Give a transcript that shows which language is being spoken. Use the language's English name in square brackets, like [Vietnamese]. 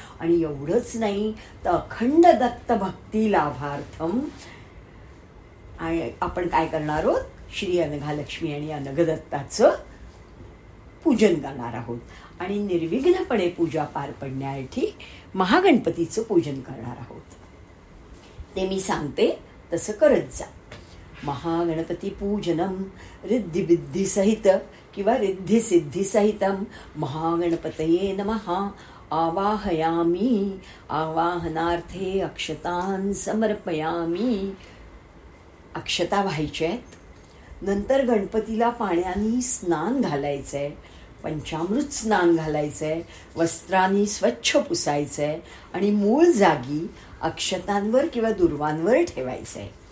[Marathi] आणि एवढंच नाही तर अखंड दत्त भक्ती लाभार्थम, आणि आपण काय करणार आहोत, श्री अनघा लक्ष्मी आणि अनघदत्ताचं पूजन करणार आहोत। आणि निर्विघ्नपणे पूजा पार पडण्यासाठी महागणपतीचं पूजन करणार आहोत, ते मी सांगते तसं करत जा। [Sanskrit] महागणपती पूजनम रिद्धिबिद्धिसहित किंवा रिद्धिसिद्धिसहित महागणपतये नमः आवाहयामी, आवाहनार्थे अक्षतान समर्पयामी। [Marathi] अक्षता व्हायच्या आहेत, नंतर गणपतीला पाण्याने स्नान घालायचं आहे, पंचामृत स्नान घालायचं आहे, वस्त्रांनी स्वच्छ पुसायचं आहे आणि मूळ जागी अक्षतांवर किंवा दुर्वांवर ठेवायचं आहे।